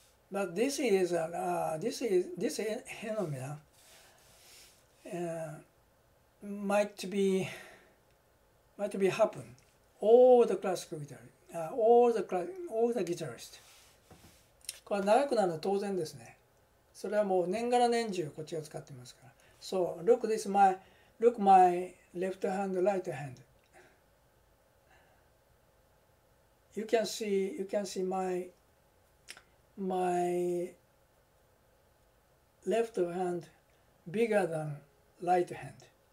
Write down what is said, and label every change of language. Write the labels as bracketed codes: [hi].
[en] But this is an this phenomena might be happen all the guitarists. [ja] これ長くなるのは当然ですね。それはもう年がら年中こっちを使ってますから。 [en] So, look this my, look my left hand, right hand. You can see my left hand bigger than right hand.